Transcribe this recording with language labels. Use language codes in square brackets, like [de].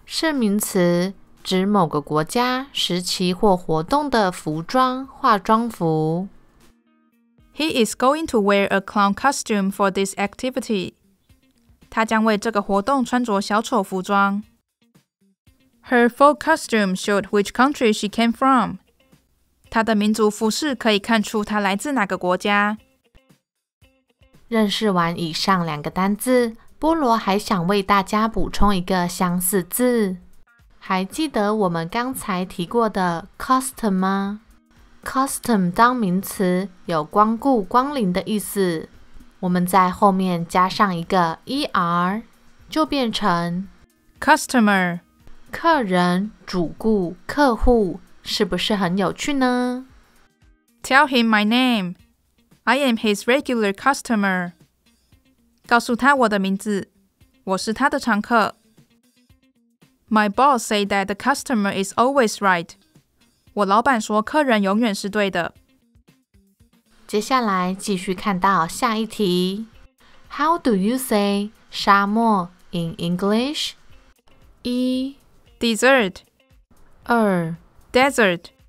[zh] 是名词，指某个国家、时期或活动的服装、化妆服。 [en] He is going to wear a clown costume for this activity. [zh] 他将为这个活动穿着小丑服装。 [en] Her full costume showed which country she came from. [zh] 她的民族服饰可以看出她来自哪个国家。认识完以上两个单字，菠萝还想为大家补充一个相似字。还记得我们刚才提过的 custom 吗？ custom 当名词有光顾光临的意思，我们在后面加上一个 er， 就变成 [en] customer。 [zh] 客人、主顾、客户，是不是很有趣呢？ [en] Tell him my name. I am his regular customer. [zh] 告诉他我的名字，我是他的常客。 [en] My boss say that the customer is always right. [zh] 我老板说客人永远是对的。接下来继续看到下一题。 [en] How do you say 沙漠 in English? 一 Dessert [zh] 二 [en] Desert